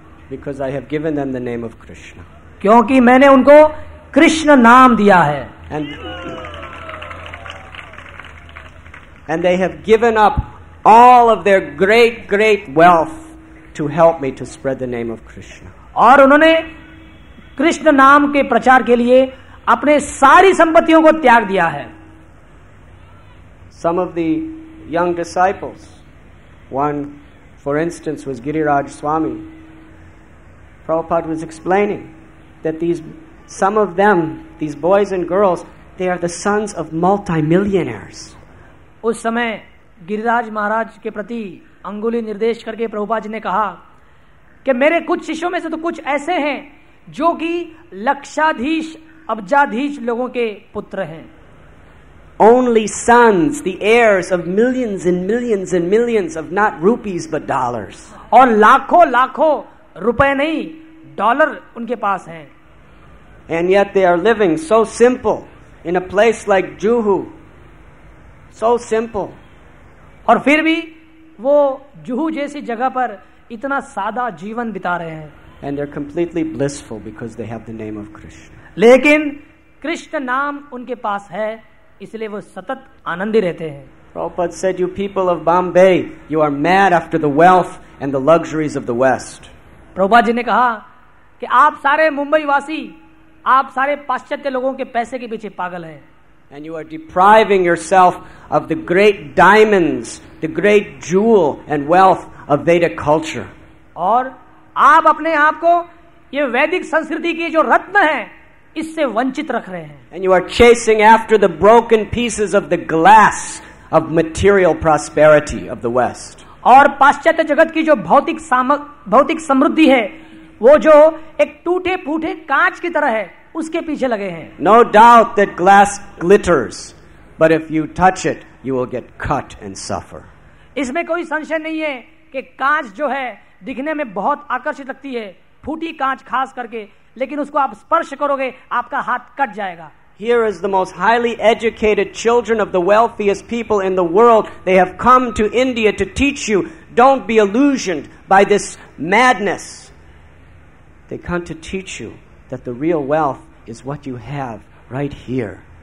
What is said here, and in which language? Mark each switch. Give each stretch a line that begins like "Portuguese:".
English: Because I have given them the name of Krishna.
Hindi: क्योंकि मैंने उनको कृष्ण नाम दिया है.
English: And they have given up all of their great, great wealth to help me to spread the name of Krishna.
Hindi: और उन्होंने कृष्ण नाम के प्रचार के लिए अपने सारी संपत्तियों को त्याग दिया है.
English: Some of the young disciples, one, for instance, was Giriraj Swami. Prabhupada was explaining that some of them, these boys and girls, they are the sons of multimillionaires.
Hindi: उस समय गिरिराज महाराज के प्रति अंगुली निर्देश करके प्रभुपाद जी ने कहा कि मेरे कुछ शिष्यों में से तो कुछ ऐसे हैं जो कि लक्षाधीश अब्जाधीश लोगों के पुत्र हैं.
English: Only sons, the heirs of millions and millions and millions of not rupees but dollars.
Hindi: और लाखों लाखों रुपए नहीं, डॉलर उनके पास हैं.
English: And yet they are living so simple in a place like Juhu. So simple.
Hindi: और फिर भी वो जुहू जैसी जगह पर इतना सादा जीवन बिता रहे हैं.
English: And they're completely blissful because they have the name of Krishna.
Hindi: लेकिन कृष्ण नाम उनके पास है, इसलिए वो सतत आनंदी रहते हैं.
English: Prabhupada said, "You people of Bombay, you are mad after the wealth and the luxuries of the West."
Hindi: Prabhupada ji ने कहा कि आप सारे मुंबई वासी, आप सारे पाश्चात्य लोगों के पैसे के पीछे पागल हैं.
English: And you are depriving yourself of the great diamonds, the great jewel and wealth of Vedic culture.
Hindi: और आप अपने आप को ये वैदिक संस्कृति के जो रत्न हैं, इससे वंचित रख रहे हैं.
English: And you are chasing after the broken pieces of the glass of material prosperity of the West.
Hindi: और पाश्चात्य जगत की जो भौतिक समृद्धि है, वो जो एक टूटे फूटे कांच की तरह है, उसके पीछे लगे हैं.
English: No doubt that glass glitters, but if you touch it, you will get cut and suffer.
Hindi: इसमें कोई संशय नहीं है कि कांच जो है दिखने में बहुत आकर्षित लगती है, फूटी कांच खास करके, लेकिन उसको आप स्पर्श करोगे, आपका हाथ कट जाएगा.
English: Here is the most highly educated children of the wealthiest people in the world. They have come to India to teach you. Don't be illusioned by this madness. They come to teach you that the real wealth is what you have right here.